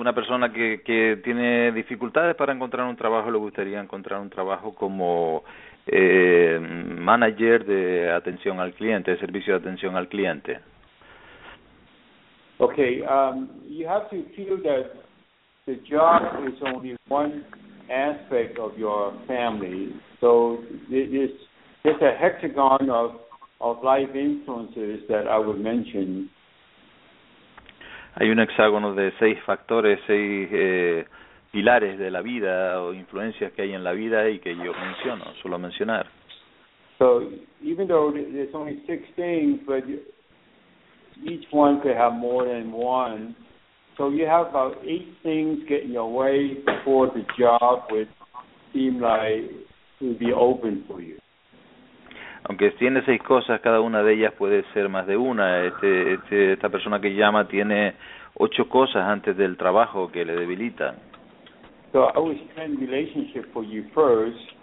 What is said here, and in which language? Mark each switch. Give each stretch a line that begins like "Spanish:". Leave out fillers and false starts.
Spanish: Una persona que tiene dificultades para encontrar un trabajo, le gustaría encontrar un trabajo como manager de atención al cliente, de servicio de atención al cliente.
English: Okay, you have to feel that the job is only one aspect of your family. So it's a hexagon of life influences that I would mention.
Spanish: Hay un hexágono de seis factores, seis pilares de la vida o influencias que hay en la vida y que yo menciono, suelo mencionar.
English: So even though there's only six things, but each one could have more than one. So you have about eight things getting your way before the job would seem like it would be open for you.
Spanish: Aunque tiene seis cosas, cada una de ellas puede ser más de una. Esta persona que llama tiene ocho cosas antes del trabajo que le debilitan.
English: So I would spend relationship for you first.